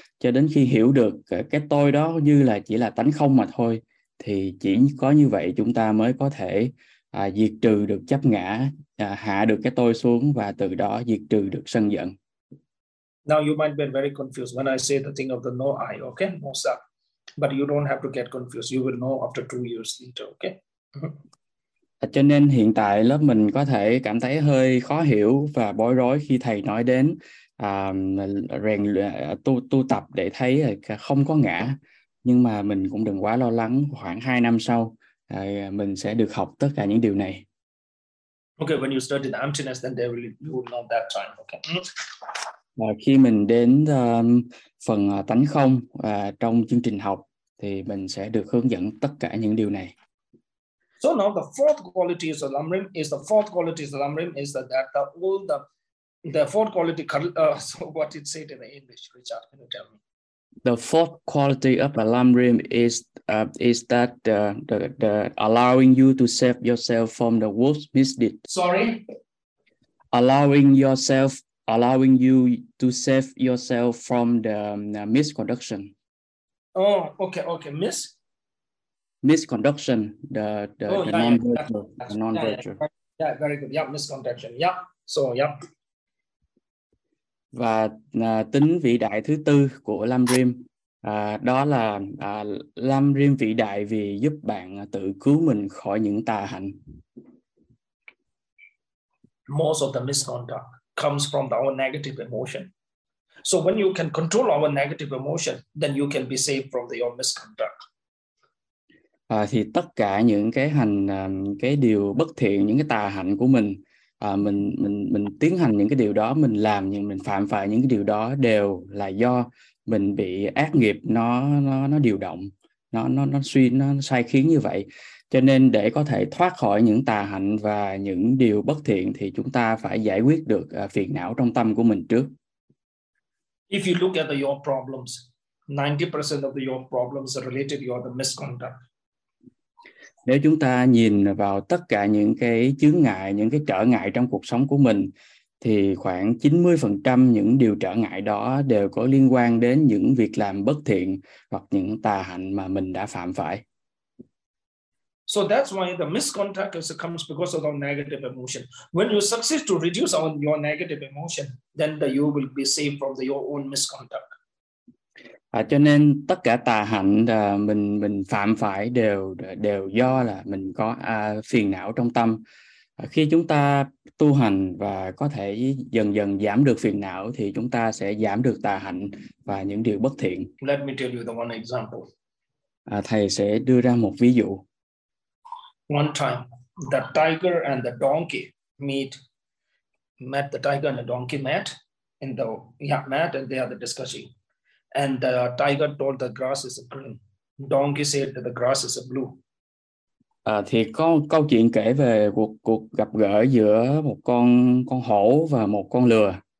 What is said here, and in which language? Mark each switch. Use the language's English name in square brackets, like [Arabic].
[Vietnamese] Cho đến khi hiểu được cái tôi đó như là chỉ là tánh không mà thôi, thì chỉ có như vậy chúng ta mới có thể diệt trừ được chấp ngã, hạ được cái tôi xuống và từ đó diệt trừ được sân giận. [English] Now you might be very confused when I say the thing of the no I, okay, no self. But you don't have to get confused. You will know after 2 years later, okay? [Vietnamese] Cho nên hiện tại lớp mình có thể cảm thấy hơi khó hiểu và bối rối khi thầy nói đến rèn tu tập để thấy không có ngã. Nhưng mà mình cũng đừng quá lo lắng, khoảng 2 năm sau mình sẽ được học tất cả những điều này. [English] Okay, when you study the emptiness, then they will, you will know that time, okay? [Vietnamese] Và khi mình đến phần tánh không trong chương trình học thì mình sẽ được hướng dẫn tất cả những điều này. [English] So now the fourth quality of Lamrim is the fourth quality of Lamrim is that the all the fourth quality so what it said in English, Richard, can you tell me? The fourth quality of a Lamrim is that the allowing you to save yourself from the worst misdeed. Sorry. Allowing you to save yourself from the misconduction. Oh, okay. Miss? Misconduction, the non-virtue. Non-virtue. Yeah, very good. Yeah, misconduction. Yeah, so, yeah. [Vietnamese] Và tính vĩ đại thứ tư của Lam Rim, đó là Lam Rim vĩ đại vì giúp bạn tự cứu mình khỏi những tà hạnh. [English] Most of the misconduct comes from our negative emotion. So when you can control our negative emotion, then you can be saved from your misconduct. [Vietnamese] Thì tất cả những cái hành, cái điều bất thiện, những cái tà hạnh của mình, mình tiến hành những cái điều đó, mình làm những, mình phạm phải những cái điều đó đều là do mình bị ác nghiệp nó điều động, nó sai khiến như vậy. Cho nên để có thể thoát khỏi những tà hạnh và những điều bất thiện thì chúng ta phải giải quyết được phiền não trong tâm của mình trước. [English] If you look at your problems, 90% of your problems are related to the misconduct. [Vietnamese] Nếu chúng ta nhìn vào tất cả những cái chướng ngại, những cái trở ngại trong cuộc sống của mình, thì khoảng 90% những điều trở ngại đó đều có liên quan đến những việc làm bất thiện hoặc những tà hạnh mà mình đã phạm phải. [English] So that's why the misconduct comes because of our negative emotion. When you succeed to reduce on your negative emotion, then you will be saved from your own misconduct. [Vietnamese] Cho nên tất cả tà hạnh mình phạm phải đều do là mình có phiền não trong tâm. Khi chúng ta tu hành và có thể dần dần giảm được phiền não thì chúng ta sẽ giảm được tà hạnh và những điều bất thiện. [English] Let me tell you the one example. [Vietnamese] Thầy sẽ đưa ra một ví dụ. [English] One time, the tiger and the donkey met the tiger and the donkey met in the met and they had the discussion. And the tiger told the grass is green. Donkey said that the grass is blue. [Vietnamese] Thì có câu chuyện kể về cuộc gặp gỡ giữa một con hổ và một con lừa.